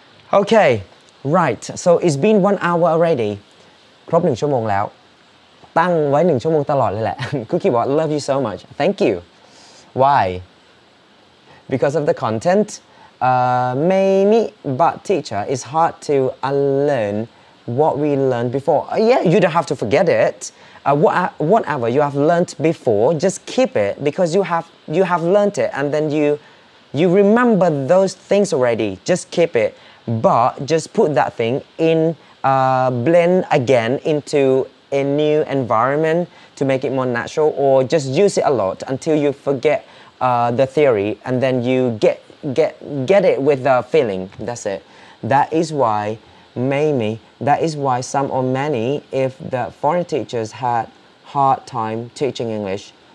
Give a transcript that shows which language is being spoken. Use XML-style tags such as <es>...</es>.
<en>โอเค right so it's been 1 hour already</en> <th>ครบ1ชั่วโมงแล้วตั้งไว้1ชั่วโมงตลอดเลยแหละคุกกี้บอก</th> <en>love you so much thank you why because of the contentMaybe, but teacher, it's hard to unlearn what we learned before. You don't have to forget it. Whatever you have learned before, just keep it because you have learned it, and then you remember those things already. Just keep it, but just put that thing in blend again into a new environment to make it more natural, or just use it a lot until you forget the theory, and then you get it with the feeling that's it that is why maybe that is why some or many if the foreign teachers had hard time teaching English</en>